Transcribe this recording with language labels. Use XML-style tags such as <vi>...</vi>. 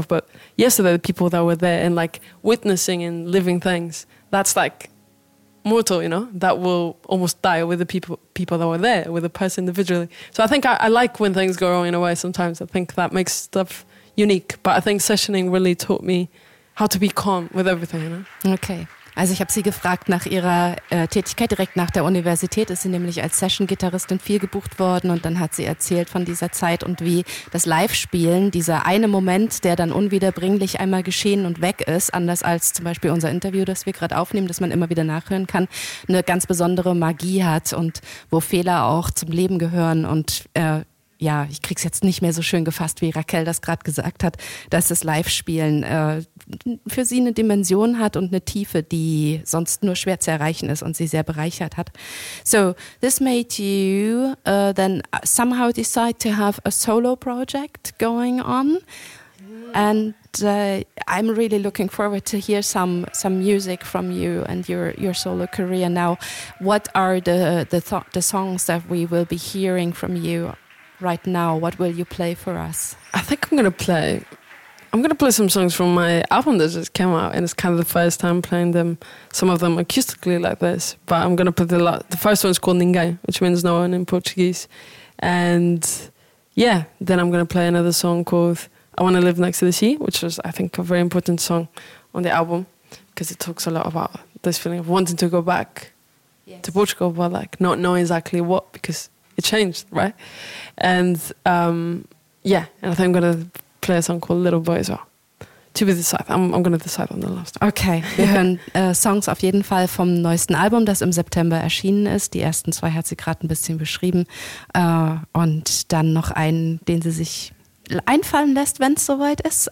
<en>But yesterday, the people that were there and like witnessing and living things, that's like mortal, you know, that will almost die with the people that were there, with the person individually. So I think I like when things go wrong in a way sometimes. I think that makes stuff unique. But I think sessioning really taught me how to be calm with everything, you know. Okay.</en> <de>Also ich habe sie gefragt nach ihrer Tätigkeit direkt nach der Universität. Ist sie nämlich als Session-Gitarristin viel gebucht worden und dann hat sie erzählt von dieser Zeit und wie das Live-Spielen, dieser eine Moment, der dann unwiederbringlich einmal geschehen und weg ist, anders als zum Beispiel unser Interview, das wir gerade aufnehmen, das man immer wieder nachhören kann, eine ganz besondere Magie hat und wo Fehler auch zum Leben gehören und ja, ich krieg's jetzt nicht mehr so schön gefasst, wie Raquel das gerade gesagt hat, dass das Live-Spielen für sie eine Dimension hat und eine Tiefe, die sonst nur schwer zu erreichen ist und sie sehr bereichert hat.</de> <en>So, this made you then somehow decide to have a solo project going on. And I'm really looking forward to hear some music from you and your solo career now. What are the songs that we will be hearing from you right now? What will you play for us? I think I'm gonna play some songs from my album that just came out, and it's kind of the first time playing them, some of them acoustically like this. But I'm gonna play the first one's called Ninguém, which means no one in Portuguese. And yeah, then I'm gonna play another song called I Wanna Live Next to the Sea, which was, I think, a very important song on the album, because it talks a lot about this feeling of wanting to go back to Portugal, but like not knowing exactly what, because it changed, right? And yeah, and I think I'm going to play a song called Little Boy as well. To be decided. I'm going to decide on the last one.</en> <de>Okay, wir hören Songs auf jeden Fall vom neuesten Album, das im September erschienen ist. Die ersten zwei hat sie gerade ein bisschen beschrieben. Und dann noch einen, den sie sich einfallen lässt, wenn es soweit ist.</de>